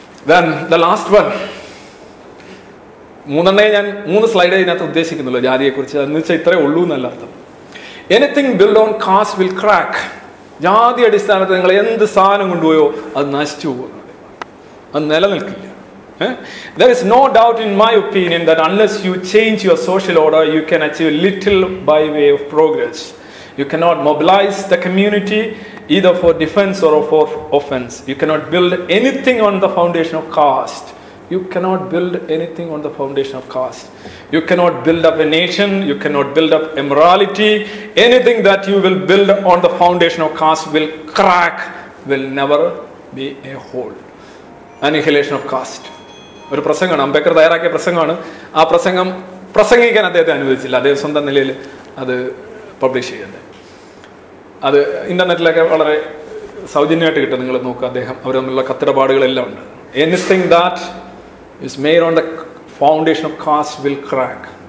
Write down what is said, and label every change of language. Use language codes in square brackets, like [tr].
[en] then the last one, [ml] മൂന്നെണ്ണേ ഞാൻ മൂന്ന് slide ഇതിനകത്ത് ഉദ്ദേശിക്കുന്നുള്ളൂ ജാതിയെ കുറിച്ച്, എന്ന് വെച്ചാൽ ഇത്രേ ഉള്ളൂ എന്നല്ല അർത്ഥം. [en] anything build on caste will crack, [ml] ജാതി അടിസ്ഥാനത്തിൽ നിങ്ങൾ എന്ത് സാധനം കൊണ്ടുപോയോ അത് നശിച്ചു പോകുന്നു, അത് നിലനിൽക്കില്ല. [en] There is no doubt in my opinion that unless you change your social order, you can achieve little by way of progress. You cannot mobilize the community either for defense or for offense. You cannot build anything on the foundation of caste. You cannot build anything on the foundation of caste. You cannot build up a nation. You cannot build up a morality. Anything that you will build on the foundation of caste will crack, will never be a whole. Annihilation of caste. [ml] ഒരു പ്രസംഗമാണ് അംബേദ്കർ തയ്യാറാക്കിയ പ്രസംഗമാണ്. ആ പ്രസംഗം പ്രസംഗിക്കാൻ അദ്ദേഹത്തെ അനുവദിച്ചില്ല, അദ്ദേഹം സ്വന്തം നിലയിൽ അത് പബ്ലിഷ് ചെയ്യുന്നത്. അത് ഇന്റർനെറ്റിലൊക്കെ വളരെ സൗജന്യമായിട്ട് കിട്ടും, നിങ്ങൾ നോക്കുക അദ്ദേഹം അവർ തമ്മിലുള്ള കത്തിടപാടുകളെല്ലാം ഉണ്ട്. [en] Anything that is made on the foundation of caste will crack.